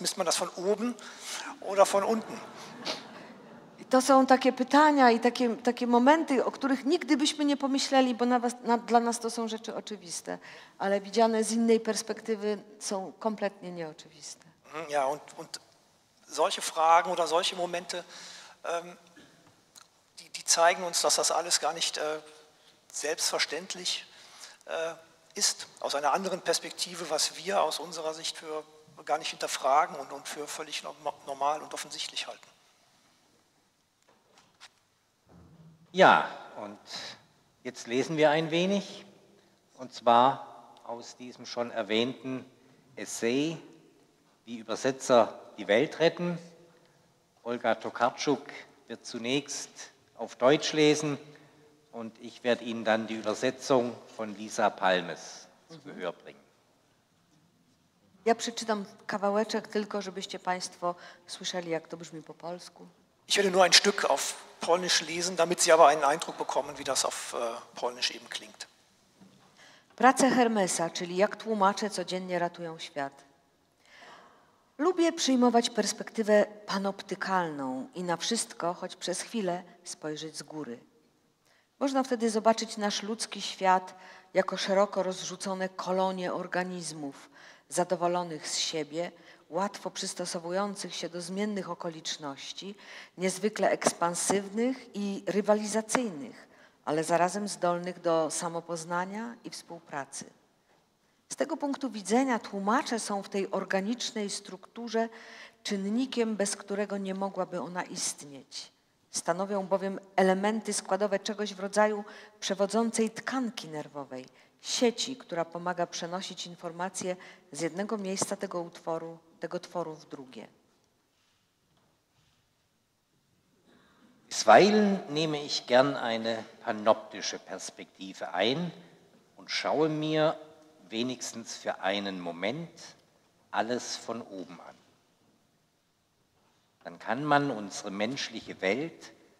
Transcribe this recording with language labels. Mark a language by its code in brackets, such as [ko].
[de] Misst man das von oben oder von unten? [pl] To są takie pytania i takie momenty, o których nigdy byśmy nie pomyśleli, bo dla nas to są rzeczy oczywiste, ale widziane z innej perspektywy są kompletnie nieoczywiste. [de] Ja, und solche Fragen oder solche Momente, die zeigen uns, dass das alles gar nicht selbstverständlich ist, aus einer anderen Perspektive, was wir aus unserer Sicht für gar nicht hinterfragen und für völlig normal und offensichtlich halten. Ja, und jetzt lesen wir ein wenig, und zwar aus diesem schon erwähnten Essay, wie Übersetzer die Welt retten. Olga Tokarczuk wird zunächst auf Deutsch lesen, und ich werde Ihnen dann die Übersetzung von Lisa Palmes zu Gehör bringen. [pl] Ja przeczytam kawałeczek tylko, żebyście Państwo słyszeli, jak to brzmi po polsku. [de] Ich werde nur ein Stück auf Polnisch lesen, damit Sie aber einen Eindruck bekommen, wie das auf Polnisch eben klingt. [pl] Prace Hermesa, czyli jak tłumacze codziennie ratują świat. Lubię przyjmować perspektywę panoptykalną i na wszystko, choć przez chwilę, spojrzeć z góry. Można wtedy zobaczyć nasz ludzki świat jako szeroko rozrzucone kolonie organizmów, zadowolonych z siebie, łatwo przystosowujących się do zmiennych okoliczności, niezwykle ekspansywnych i rywalizacyjnych, ale zarazem zdolnych do samopoznania i współpracy. Z tego punktu widzenia tłumacze są w tej organicznej strukturze czynnikiem, bez którego nie mogłaby ona istnieć. Stanowią bowiem elementy składowe czegoś w rodzaju przewodzącej tkanki nerwowej, sieci, która pomaga przenosić informacje z jednego miejsca tego tworu w drugie. [de] Bisweilen nehme ich gern eine panoptische Perspektive ein und schaue mir wenigstens für einen Moment alles von oben an. Dann kann man unsere menschliche Welt